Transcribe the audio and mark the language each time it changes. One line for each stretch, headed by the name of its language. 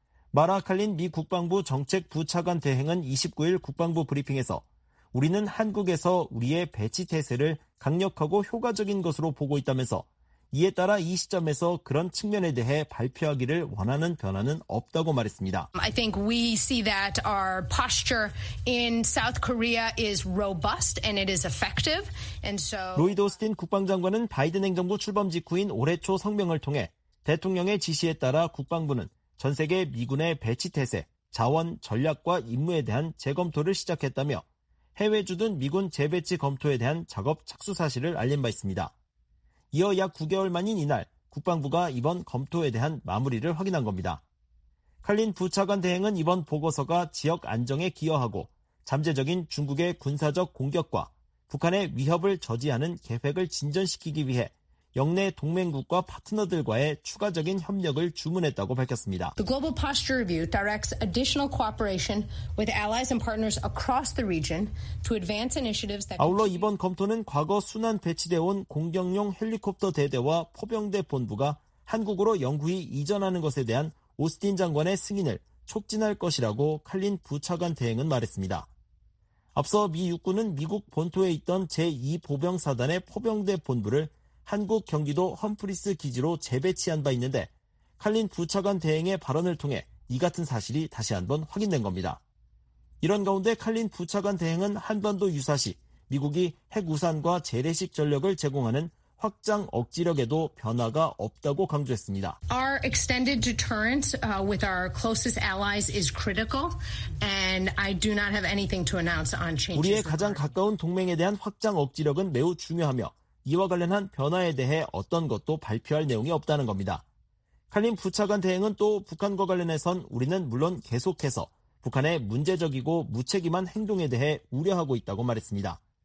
Korean: 마라 칼린 미 국방부 정책부차관 대행은 29일 국방부 브리핑에서 우리는 한국에서 우리의 배치 태세를 강력하고 효과적인 것으로 보고 있다면서 이에 따라 이 시점에서 그런 측면에 대해 발표하기를 원하는 변화는 없다고 말했습니다.
English: I think we see that our posture in South Korea is robust and it is effective. And so
Korean: 로이드 오스틴 국방장관은 바이든 행정부 출범 직후인 올해 초 성명을 통해 대통령의 지시에 따라 국방부는 전 세계 미군의 배치 태세, 자원, 전략과 임무에 대한 재검토를 시작했다며 해외 주둔 미군 재배치 검토에 대한 작업 착수 사실을 알린 바 있습니다. 이어 약 9개월 만인 이날 국방부가 이번 검토에 대한 마무리를 확인한 겁니다. 칼린 부차관 대행은 이번 보고서가 지역 안정에 기여하고 잠재적인 중국의 군사적 공격과 북한의 위협을 저지하는 계획을 진전시키기 위해 역내 동맹국과 파트너들과의 추가적인 협력을 주문했다고 밝혔습니다.
English: The Global Posture Review directs additional cooperation with allies and partners across the region to advance initiatives that
Korean: 아울러 이번 검토는 과거 순환 배치되어 온 공격용 헬리콥터 대대와 포병대 본부가 한국으로 영구히 이전하는 것에 대한 오스틴 장관의 승인을 촉진할 것이라고 칼린 부차관 대행은 말했습니다. 앞서 미 육군은 미국 본토에 있던 제2보병사단의 포병대 본부를 한국 경기도 험프리스 기지로 재배치한 바 있는데 칼린 부차관 대행의 발언을 통해 이 같은 사실이 다시 한번 확인된 겁니다. 이런 가운데 칼린 부차관 대행은 한반도 유사시 미국이 핵우산과 재래식 전력을 제공하는 확장 억지력에도 변화가 없다고 강조했습니다.
English: Our extended deterrence with our closest allies is critical and I do not have anything to announce on changes.
Korean: 우리의 가장 가까운 동맹에 대한 확장 억지력은 매우 중요하며 이와 관련한 변화에 대해 어떤 것도 발표할 내용이 없다는 겁니다. 칼린 부차관 대행은 또 북한과 관련해선 우리는 물론 계속해서 북한의 문제적이고 무책임한 행동에 대해 우려하고 있다고 말했습니다.